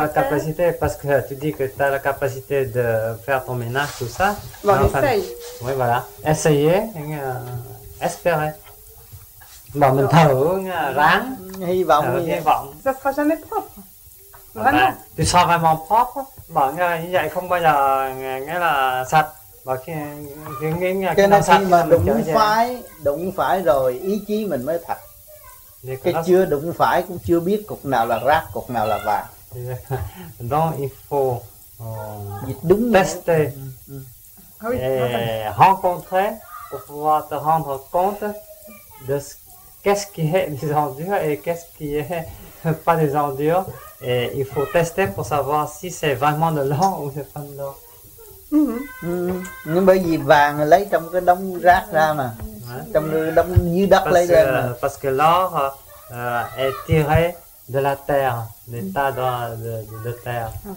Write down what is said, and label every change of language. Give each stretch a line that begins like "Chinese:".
French: la capacité, parce que tu dis que tu as la capacité de faire ton ménage, tout ça. Bon, enfin, essaye. Oui, voilà. Essayer, espérer. Bon, maintenant,
Vietnamese: hy vọng.
French: Ça ne sera jamais propre. tu sens vraiment propre, bon,
Vietnamese: nghe là như vậy không bao giờ nghĩa là sạch, mà khi nghĩ sạch mà đụng phải rồi ý chí mình mới thật. Cái chưa đụng phải cũng chưa biết cục nào là rác, cục nào là vàng.
French: Donc il faut
Vietnamese: đúng
French: tester, rencontrer pour pouvoir te rendre compte de ce qu'est-ce qui est des ordures et qu'est-ce qui est pas des ordures. Et il faut tester pour savoir si c'est vraiment de l'or ou c'est pas de l'or.
Vietnamese: Nhưng bởi vì vàng lấy trong cái đống rác ra mà, trong cái đống dưới đất lấy ra mà.
French: Parce que l'or est tiré de la terre, des tas de terre.